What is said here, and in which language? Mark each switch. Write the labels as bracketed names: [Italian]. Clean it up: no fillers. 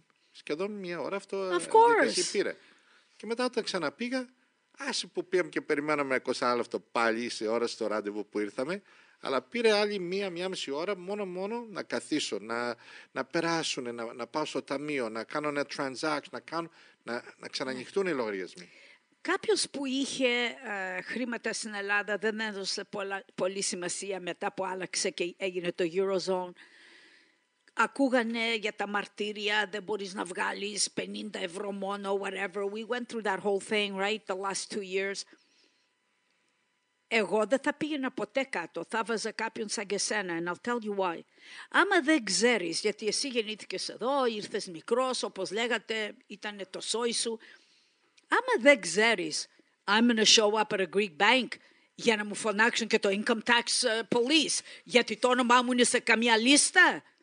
[Greek] Σχεδόν μία ώρα αυτό πήρε. Και μετά όταν ξαναπήγα, άσε που πήγαμε και περιμέναμε 20 λεπτό πάλι σε ώρα στο ραντεβού που ήρθαμε, αλλά πήρε άλλη μία μισή ώρα μόνο να καθίσω, να περάσουν, να πάω στο ταμείο, να κάνω ένα transaction, να ξανανοιχτούν οι λογαριασμοί. Κάποιος που είχε χρήματα στην Ελλάδα δεν έδωσε πολύ σημασία μετά που άλλαξε και έγινε το Eurozone. Ακούγανε για τα μαρτύρια, δεν μπορείς να βγάλεις 50 ευρώ μόνο, whatever. [English] We went through that whole thing, right, the last two years. [Greek] Εγώ δεν θα πήγαινα ποτέ κάτω, θα βάζα κάποιον σαν και σένα, [English] and I'll tell you why. [Greek] Άμα δεν ξέρεις, γιατί εσύ γεννήθηκες εδώ, ήρθες μικρός, όπως λέγατε, ήταν το σόι σου. Άμα δεν ξέρεις, [English] I'm going to show up at a Greek bank [Greek] για να μου φωνάξουν και το [English] income tax police, [Greek] γιατί το όνομά μου είναι σε καμία λίστα.